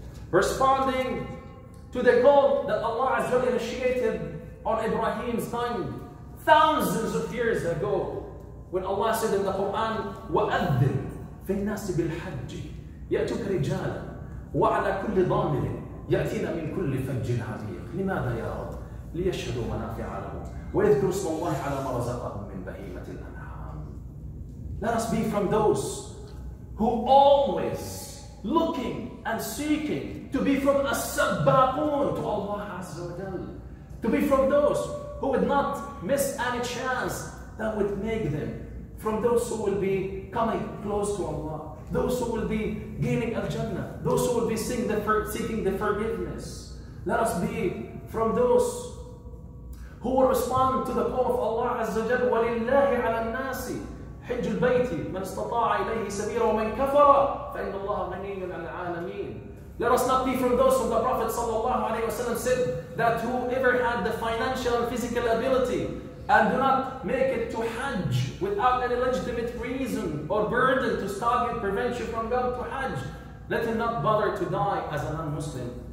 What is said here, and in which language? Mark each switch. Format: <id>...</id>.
<en>Responding to the call that Allah Azza wa Jal initiated on Ibrahim's time thousands of years ago, when Allah said in the Quran,</en> <ar>وَأَذِّنْ فِي النَّاسِ بِالْحَجِّ يَأْتُكَ رِجَالًا وَعَلَى كُلِّ ضَامِرٍ يَأْتِينَ مِنْ كُلِّ فَجٍّ عَمِيقٍ. لماذا يا رب؟ ليشهدوا منافع لهم ويذكروا اسم الله على ما رزقهم من بهيمة الأنعام.</ar> <en>Let us be from those who always looking and seeking to be from as-sabaqun to Allah Azza wa Jal. To be from those who would not miss any chance that would make them from those who will be coming close to Allah. Those who will be gaining al-Jannah. Those who will be seeking the forgiveness. Let us be from those who will respond to the call of Allah Azza wa Jal.</en> <ar>وَلِلَّهِ عَلَى النَّاسِ حج البيت من استطاع إليه سبيلا ومن كفر فإن الله غني عن العالمين.</ar> <en>Let us not be from those whom the Prophet sallallahu alaihi wasallam said that whoever had the financial and physical ability and do not make it to Hajj without any legitimate reason or burden to stop you, prevent you from going to Hajj, let him not bother to die as a non-Muslim.</en>